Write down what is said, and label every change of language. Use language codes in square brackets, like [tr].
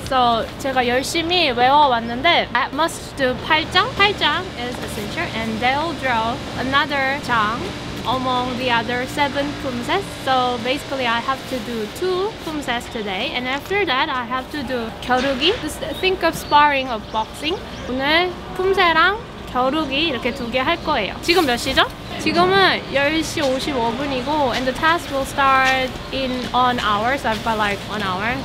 [en] So [ko] 제가 열심히 외워왔는데, [en] I must do 8장. 8장 is a cincher, and they'll draw another 장 among the other 7 품새s. So basically I have to do 2 품새s today, and after that I have to do 겨루기. Just think of sparring of boxing. [ko] 오늘 품새랑 겨루기 이렇게 두 개 할 거예요. 지금 몇 시죠? 지금은 10시 55분이고, [en] and the test will start in 1 hour, so I've got like 1 hour.